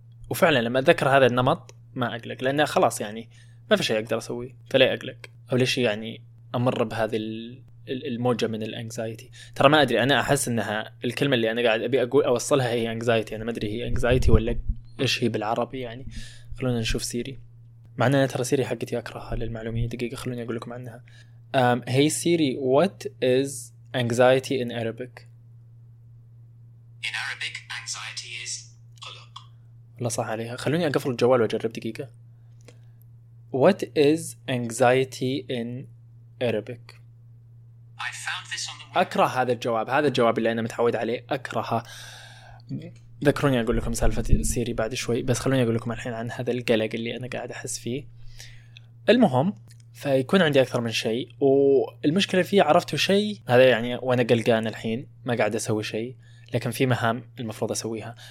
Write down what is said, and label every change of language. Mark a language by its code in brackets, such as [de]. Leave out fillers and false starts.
[ar] وفعلا لما أذكر هذا النمط ما أقلق، لأنه خلاص يعني ما في شيء أقدر أسويه، فلا أقلق أو ليش يعني أمر بهذه الموجة من الأنكزايتي. ترى ما أدري، أنا أحس أنها الكلمة اللي أنا قاعد أبي أقول أوصلها هي أنكزايتي. أنا ما أدري هي أنكزايتي ولا إيش هي بالعربي، يعني خلونا نشوف سيري. معنى أنا ترى سيري حقتي أكرهها للمعلومية، دقيقة خلوني أقول لكم عنها. [en] Hey Siri, what is anxiety in Arabic? In Arabic, anxiety is قلق. [ar] الله صح عليها. خلوني أقفل الجوال وأجرب دقيقة. [en] What is anxiety in Arabic? I found this on the web. [ar] أكره هذا الجواب، هذا الجواب اللي أنا متعود عليه أكرهه. ذكروني أقول لكم سالفة سيري بعد شوي، بس خلوني أقول لكم الحين عن هذا القلق اللي أنا قاعد أحس فيه. المهم فيكون عندي أكثر من شيء، والمشكلة فيه عرفته شيء هذا يعني وأنا قلقان الحين ما قاعد أسوي شيء، لكن في مهام المفروض أسويها.